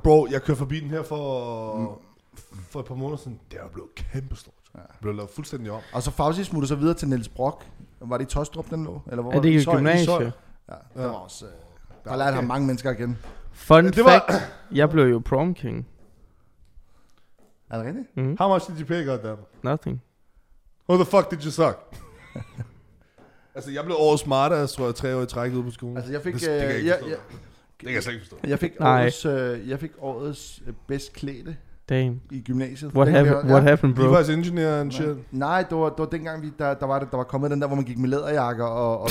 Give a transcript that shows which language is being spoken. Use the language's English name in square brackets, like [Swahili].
[Danish] Bro, jeg kørte forbi den her for et par måneder siden. Det er blevet kæmpestort. Ja. Det blev lavet fuldstændig om. Og så Fauci smutter så videre til Niels Brock. Var det i Tostrup, den lå? Eller var det? Er det ikke i gymnasiet? Ja, der var også... Der lærte ham mange mennesker igen. Fun ja, fact, jeg blev jo prom king. Er det rigtigt? Mm-hmm. [English] How much did you pay, goddamn? Nothing. Who the fuck did you suck? [Danish] Altså, jeg blev årets smartass, tror jeg, 3 år i træk ude på skolen. Altså, jeg fik... Det kan jeg slet ikke forstå. Jeg fik årets bedst klæde. [English] Damn. [Danish] I gymnasiet. [English] What happened, bro? [Danish] Vi var altså ingeniører og shit. Nej, det var dengang, der var kommet den der, hvor man gik med læderjakker og